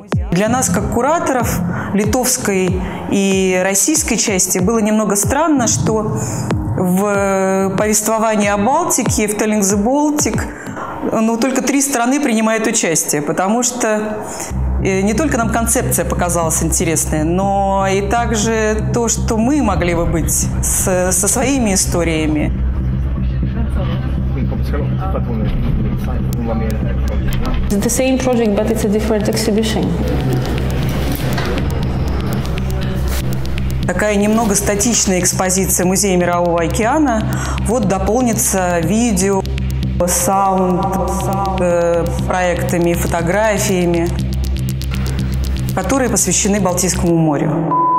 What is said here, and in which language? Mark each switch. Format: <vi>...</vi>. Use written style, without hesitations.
<ru>Для нас, как кураторов литовской и российской части, было немного странно, что в повествовании о Балтике, в Telling the Baltic, ну, только три страны принимают участие, потому что не только нам концепция показалась интересной, но и также то, что мы могли бы быть со своими историями.</ru> <en>It's the same project, but it's a different exhibition.</en> <ru>Такая немного статичная экспозиция Музея Мирового океана вот дополнится видео, саунд-проектами, фотографиями, которые посвящены Балтийскому морю.</ru>